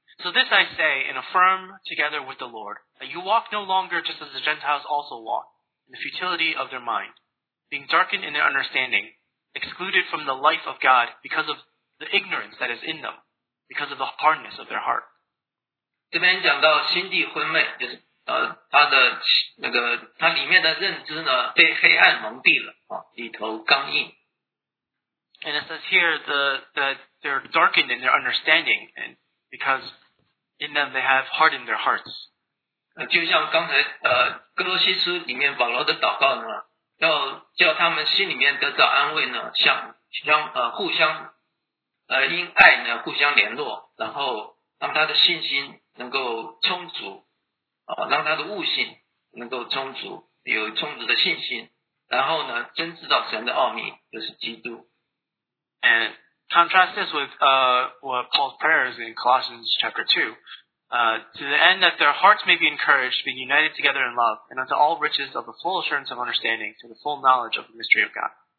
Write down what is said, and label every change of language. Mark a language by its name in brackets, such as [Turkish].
[English] So this I say, and affirm together with the Lord, that you walk no longer just as the Gentiles also walk, in the futility of their mind, being darkened in their understanding, excluded from the life of God because of the ignorance that is in them, because of the hardness of their heart. [Chinese] 这边讲到心地昏昧，就是他的那个他里面的认知呢被黑暗蒙蔽了，里头刚硬。 [English] And it says here that they're darkened in their understanding, and because in them they have hardened their hearts. [Chinese] 就像刚才哥罗西书里面保罗的祷告呢，要叫他们心里面得到安慰呢，互相因爱呢互相联络，然后让他的信心能够充足，让他的悟性能够充足，有充足的信心，然后呢真知道神的奥秘，就是基督。 [English] And contrast this with what Paul's prayer is in Colossians chapter 2. To the end that their hearts may be encouraged, being united together in love, and unto all riches of the full assurance of understanding, to the full knowledge of the mystery of God.